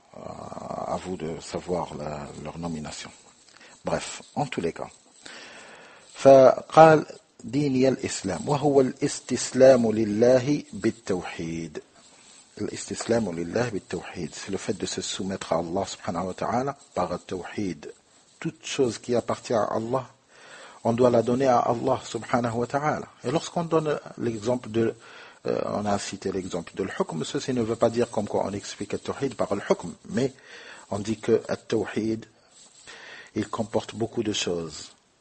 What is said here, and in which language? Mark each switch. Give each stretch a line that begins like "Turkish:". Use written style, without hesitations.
French: À vous de savoir leur nomination. Bref, en tous les cas.
Arabic: فقال ديني الإسلام وهو الاستسلام لله بالتوحيد. الاستسلام لله بالتوحيد.
French: C'est le fait de se soumettre à Allah subhanahu wa ta'ala par le tawhid. Toute chose qui appartient à Allah, on doit la donner à Allah subhanahu wa ta'ala. Et lorsqu'on donne l'exemple de... on a cité l'exemple de l'hukm, ceci ne veut pas dire comme quoi on explique le tawhid par le hukm, mais on dit que le tawhid, il comporte beaucoup de choses.